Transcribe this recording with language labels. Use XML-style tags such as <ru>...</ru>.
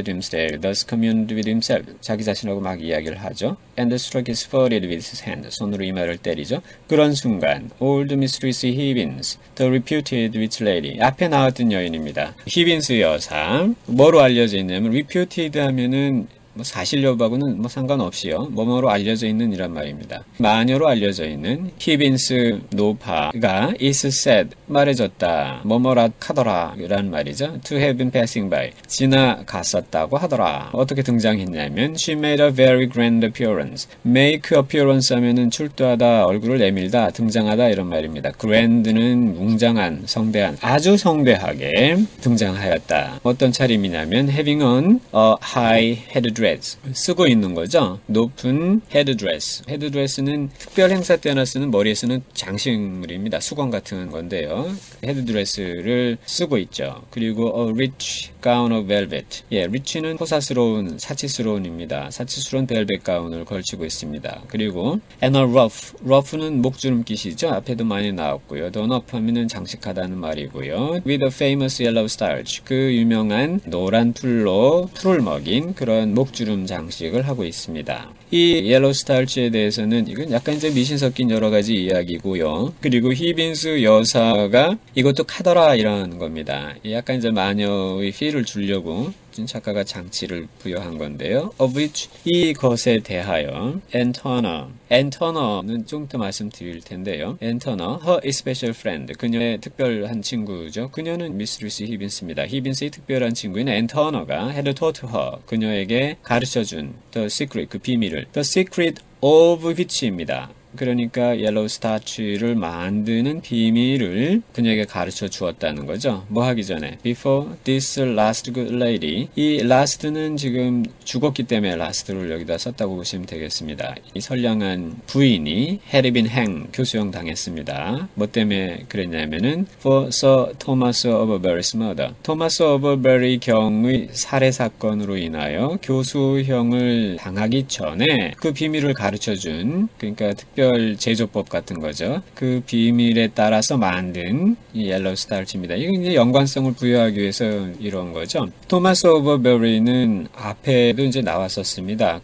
<en>Dimmesdale thus communed with himself,</en> <ko>자기 자신하고 막 이야기를 하죠.</ko> <en>And struck his forehead with his hand,</en> <ko>손으로 이마를 때리죠. 그런 순간,</ko> <en>old mistress Hibbins, the reputed witch lady,</en> <ko>앞에 나왔던 여인입니다. Hibbins 여사, 뭐로 알려져 있냐면, reputed 하면은 뭐 사실 여부하고는 뭐 상관없이요. 뭐뭐로 알려져 있는 이란 말입니다. 마녀로 알려져 있는 히빈스 노파가</ko> <en>is said</en> <ko>말해졌다. 뭐뭐라 하더라. 이란 말이죠.</ko> <en>To have been passing by.</en> <ko>지나갔었다고 하더라. 어떻게 등장했냐면</ko> <en>she made a very grand appearance.</en> <ko>make appearance 하면은 출두하다, 얼굴을 내밀다, 등장하다 이런 말입니다. grand는 웅장한, 성대한, 아주 성대하게 등장하였다. 어떤 차림이냐면</ko> <en>having on a high head dress.</en> <ko>쓰고 있는 거죠. 높은 헤드드레스. 헤드드레스는 특별 행사 때나 쓰는 머리에 쓰는 장식물입니다. 수건 같은 건데요. 헤드드레스를 쓰고 있죠.</ko> <en>그리고 a rich gown of velvet.</en> <ko>예, rich는 포사스러운, 사치스러운입니다. 사치스러운 벨벳 가운을 걸치고 있습니다.</ko> <en>그리고 and a ruff.</en> <ko>ruff는 목주름 끼시죠. 앞에도 많이 나왔고요. done up 하면은 장식하다는 말이고요.</ko> <en>with a famous yellow starch.</en> <ko>그 유명한 노란 풀로 풀을 먹인 그런 목 주름 장식을 하고 있습니다. 이 옐로우 스타일치에 대해서는 이건 약간 이제 미신 섞인 여러 가지 이야기고요. 그리고 히빈스 여사가 이것도 카더라 이런 겁니다. 약간 이제 마녀의 피를 주려고 작가가 장치를 부여한 건데요.</ko> <en>Of which</en> <ko>이것에 대하여 앤터너는 좀 이따 말씀드릴 텐데요. 앤터너,</ko> <en>her special friend,</en> <ko>그녀의 특별한 친구죠. 그녀는 미스리스 히빈스입니다. 히빈스의 특별한 친구인 앤터너가</ko> <en>had taught her,</en> <ko>그녀에게 가르쳐준</ko> <en>the secret,</en> <ko>그 비밀을</ko> <en>the secret of which</en> <ko>입니다. 그러니까 옐로우 스타치를 만드는 비밀을 그녀에게 가르쳐 주었다는 거죠. 뭐 하기 전에</ko> <en>before this last good lady.</en> <ko>이 last는 지금 죽었기 때문에 last를 여기다 썼다고 보시면 되겠습니다. 이 선량한 부인이</ko> <en>had been hanged,</en> <ko>교수형 당했습니다. 뭐 때문에 그랬냐면은</ko> <en>for Sir Thomas Overbury's murder.</en> <ko>Thomas Overbury 경의 살해 사건으로 인하여 교수형을 당하기 전에 그 비밀을 가르쳐 준, 그러니까 특별 제조법 같은 거죠. 그 비밀에 따라서 만든 이 옐로우 스타일치입니다. 이건 이제 연관성을 부여하기 위해서 이런 거죠. 토마스 오버베리는 앞에도 이제 나왔었습니다.</ko>